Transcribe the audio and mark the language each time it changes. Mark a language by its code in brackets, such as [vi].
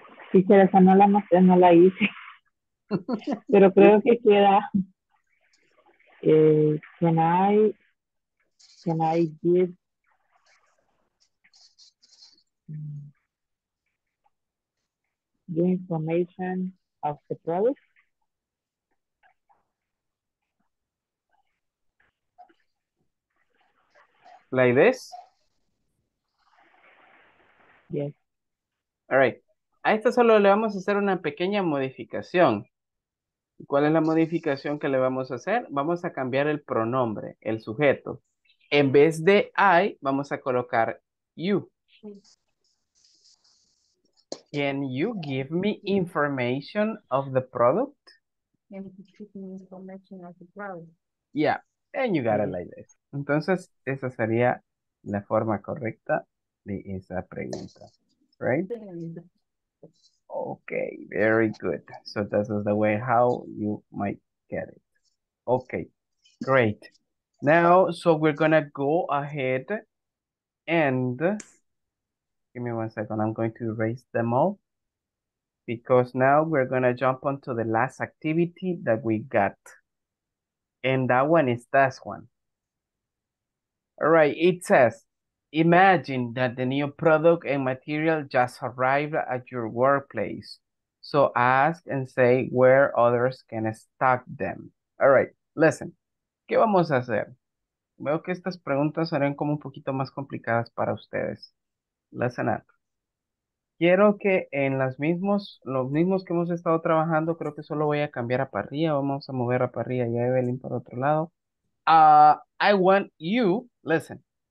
[es] Quisiera, esa no la noté, no la hice. Pero creo que queda. [en] Can I give the information of the product? Like this? Yes. All right. [es] A esto solo le vamos a hacer una pequeña modificación. ¿Cuál es la modificación que le vamos a hacer? Vamos a cambiar el pronombre, el sujeto. En vez de I, vamos a colocar you. [en] Can you give me information of the product? Can you give me information of the product? Yeah, and you got it like this. [es] Entonces, esa sería la forma correcta de esa pregunta, [en] right? Okay, very good. So this is the way how you might get it. Okay, great. Now, so we're gonna go ahead and give me 1 second. I'm going to erase them all because now we're gonna jump onto the last activity that we got. And that one is this one. All right, it says, imagine that the new product and material just arrived at your workplace. So ask and say where others can stock them. All right, listen. [es] ¿Qué vamos a hacer? Veo que estas preguntas serán como un poquito más complicadas para ustedes. [en] Listen up. [es] Quiero que en los mismos que hemos estado trabajando, creo que solo voy a cambiar a parrilla. Vamos a mover a parrilla y a Evelyn para otro lado. [en] I want you, listen.